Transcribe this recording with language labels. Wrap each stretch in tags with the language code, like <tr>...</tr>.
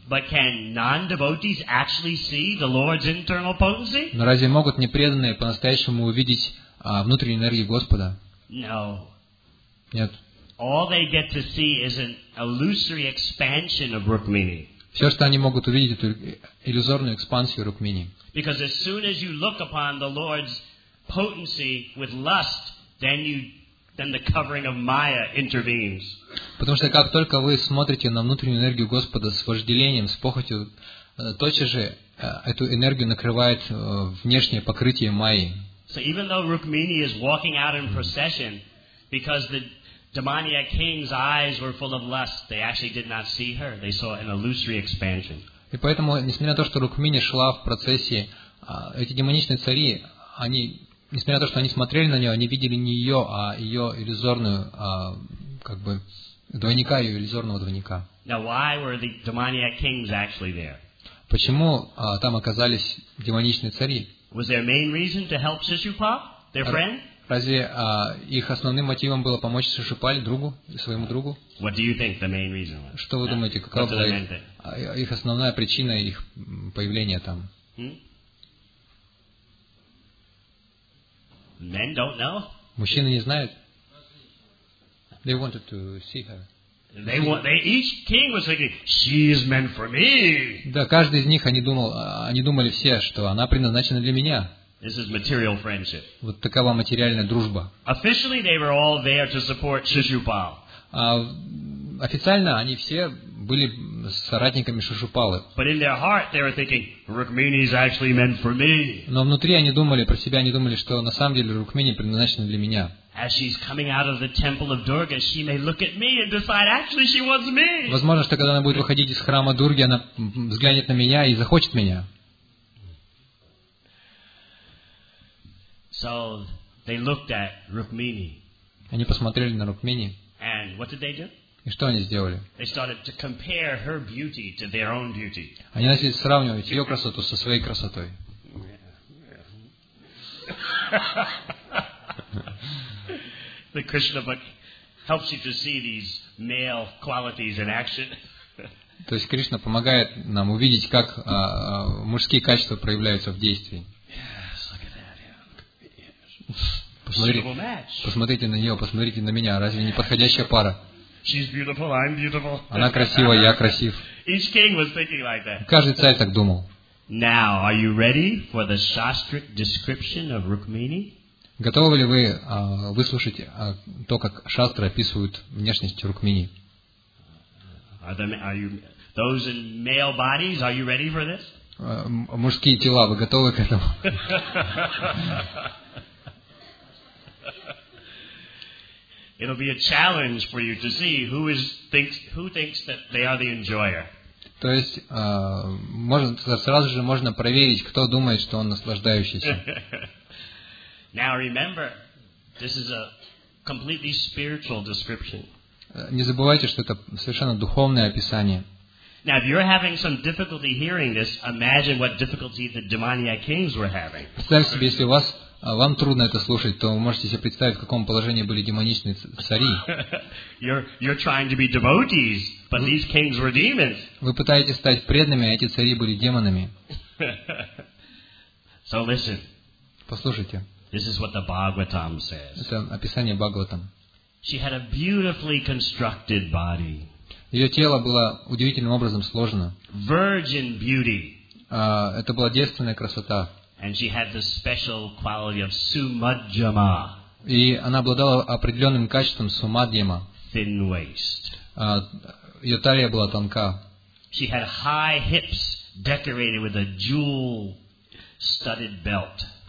<en>But can non-devotees actually see the Lord's internal potency?</en> <ru>Но разве могут непреданные по-настоящему увидеть внутреннюю энергию Господа?</ru> <en>No.</en> <ru>Нет.</ru> <en>All they get to see is an illusory expansion of Rukmini.</en> <ru>Все, что они могут увидеть, это иллюзорную экспансию Рукмини.</ru> <en>Because as soon as you look upon the Lord's potency with lust, then the covering of Maya intervenes.</en> <ru>Потому что как только вы смотрите на внутреннюю энергию Господа с вожделением, с похотью, тотчас же эту энергию накрывает внешнее покрытие Майи.</ru> <en>So even though Rukmini is walking out in procession, because the demoniac king's eyes were full of lust, they actually did not see her. They saw an illusory expansion.</en> <ru>И поэтому, несмотря на то, что Рукмини шла в процессии, эти демоничные цари, они несмотря на то, что они смотрели на нее, они видели не ее, а ее иллюзорную, как бы, двойника, ее иллюзорного двойника.</ru> <en>Now, why were the demoniac kings actually there?</en> <ru>Почему там оказались демоничные цари?</ru> <en>Was their main reason to help Shishupala, their friend?</en> <ru>Разве их основным мотивом было помочь Шишупале, другу, своему другу?</ru> <en>What do you think the main reason was?</en> <ru>Что вы думаете, какова была их основная причина их появления там?</ru> <en>Men don't know.</en> <ru>Мужчины не знают.</ru> <en>They wanted to see her. They each king was thinking, she is meant for me.</en> <ru>Да, каждый из них они думали все, что она предназначена для меня.</ru> <en>This is material friendship.</en> <ru>Вот такова материальная дружба.</ru> <en>Officially, they were all there to support Shishupala.</en> <ru>Официально они все были соратниками Шишупалы.</ru> <en>But in their heart they were thinking, Rukmini is actually meant for me.</en> <ru>Но внутри они думали про себя, они думали, что на самом деле Рукмини предназначена для меня.</ru> <en>As she's coming out of the temple of Durga, she may look at me and decide actually she wants me.</en> <ru>Возможно, что когда она будет выходить из храма Дурги, она взглянет на меня и захочет меня.</ru> <en>So they looked at Rukmini.</en> <ru>Они посмотрели на Рукмини.</ru> <en>And what did they do?</en> <ru>И что они сделали?</ru> <en>They started to compare her beauty to their own beauty.</en> <ru>Они начали сравнивать ее красоту со своей красотой.</ru> <en>The Krishna book helps you to see these male qualities in action.</en> <ru>То есть Кришна помогает нам увидеть, как мужские качества проявляются в действии.</ru> <en>Yes, look at that. Yes.</en> <ru>посмотрите на нее, посмотрите на меня, разве не подходящая пара?</ru> <en>She's beautiful, I'm beautiful.</en> <ru>Она красива, я красив.</ru> <en>Each king was thinking like that.</en> <ru>Каждый царь так думал.</ru> <en>Now, are you ready for the Shastric description of Rukmini?</en> <ru>Готовы ли вы выслушать то, как шастры описывают внешность Рукмини?</ru> <en>Are you those in male bodies? Are you ready for this?</en> <ru>Мужские тела, вы готовы к этому?</ru> <en>It'll be a challenge for you to see who thinks that they are the enjoyer.</en> <ru>То есть сразу же можно проверить, кто думает, что он наслаждающийся.</ru> <en>Now remember, this is a completely spiritual description.</en> <ru>Не забывайте, что это совершенно духовное описание.</ru> <en>Now, if you're having some difficulty hearing this, imagine what difficulty the demoniac kings were having.</en> <ru>Представьте себе, если вам трудно это слушать, то вы можете себе представить, в каком положении были демоничные цари.</ru> <en>You're trying to be devotees, but these kings were demons.</en> <ru>Вы пытаетесь стать преданными, а эти цари были демонами.</ru> <en>So listen.</en> <ru>Послушайте.</ru> <en>This is what the Bhagavatam says.</en> <ru>Это описание Бхагаватам.</ru> <en>She had a beautifully constructed body.</en> <ru>Ее тело было удивительным образом сложено.</ru> <en>Virgin beauty.</en> <ru>Это была девственная красота.</ru> <en>And she had the special quality of sumadhyama.</en> <ru>И она обладала определенным качеством сумадхьяма.</ru> <en>Thin waist.</en> <ru>Ее талия была тонка.</ru> <en>She had high hips decorated with a jewel studded belt.</en>